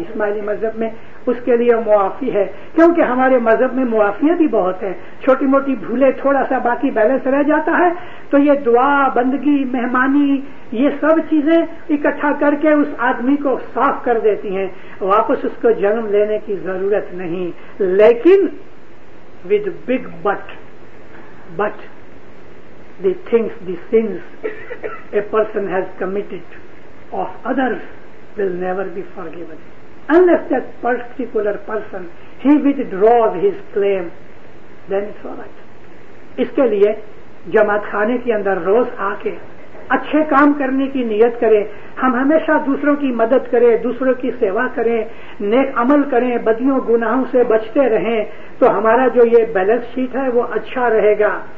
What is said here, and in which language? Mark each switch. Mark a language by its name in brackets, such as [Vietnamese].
[Urdu] اسماعیلی مذہب میں اس کے لیے معافی ہے, کیونکہ ہمارے مذہب میں معافیاں بھی بہت ہیں, چھوٹی موٹی بھولے تھوڑا سا باقی بیلنس رہ جاتا ہے تو یہ دعا, بندگی, مہمانی, یہ سب چیزیں اکٹھا کر کے اس آدمی کو صاف کر دیتی ہیں, واپس اس کو جنم لینے کی ضرورت نہیں. لیکن [English] with big but the things, the sins a person has committed of others will never be forgiven unless that particular person he withdraws his claim, then it's all right. [Urdu] Iske liye jamaat khane ke andar roz aake اچھے کام کرنے کی نیت کریں, ہم ہمیشہ دوسروں کی مدد کریں, دوسروں کی سیوا کریں, نیک عمل کریں, بدیوں گناہوں سے بچتے رہیں, تو ہمارا جو یہ بیلنس شیٹ ہے وہ اچھا رہے گا.